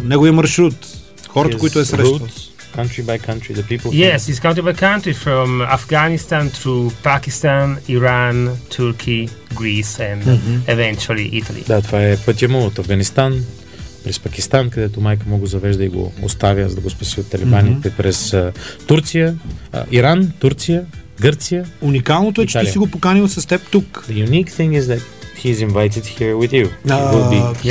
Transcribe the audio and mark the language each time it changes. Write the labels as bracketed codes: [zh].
[bg] Неговия маршрут, хората, които е срещал. [en] Country by country, the people. Yes, it's country by country, from Afghanistan through Pakistan, Iran, Turkey, Greece and eventually Italy. [bg] Да, това е пътя му от Афганистан през Пакистан, където майка му го завежда и го оставя, за да го спаси от талибаните, през Турция, Иран, Турция, Гърция. Уникалното е, че ти си го поканил с теб тук. [en] The unique thing is that he's invited here with you.